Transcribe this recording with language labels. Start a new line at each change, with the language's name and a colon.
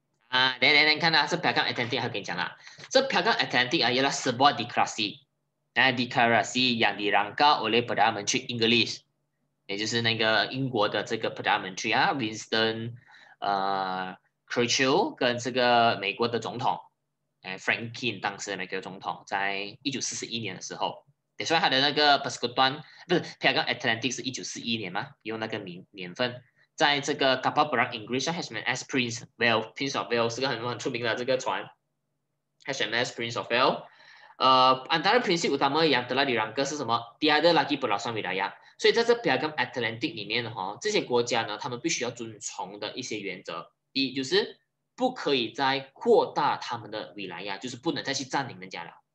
Chinese: Then 看到、啊、这 Piagam Atlantic 要跟你讲了、这 Piagam Atlantic 啊，
Malay: ialah sebuah deklarasi, deklarasi yang dirangka oleh Perdana Menteri Inggeris,
Chinese: 也就是那个英国的这个 Perdana Menteri 啊 ，Winston Churchill 跟这个美国的总统，Franklin 当时的美国总统，在1941年的时候。所以他的那个 Persekutuan 不是 Piagam Atlantic 是1941年吗？用那个年份，在这个 Kapal Perang Inggris HMS Prince of Wales， Prince of Wales 是个很出名的这个船 HMS Prince of Wales。
Malay: Antara prinsip utama yang telah dirangka
Chinese: 是什么
Malay: ？Tiada lagi perlawanan wilayah。
Chinese: 所以在这 Piagam Atlantic 里面的哈，这些国家呢，他们必须要遵从的一些原则，第一就是不可以再扩大他们的 wilayah， 就是不能再去占领人家了。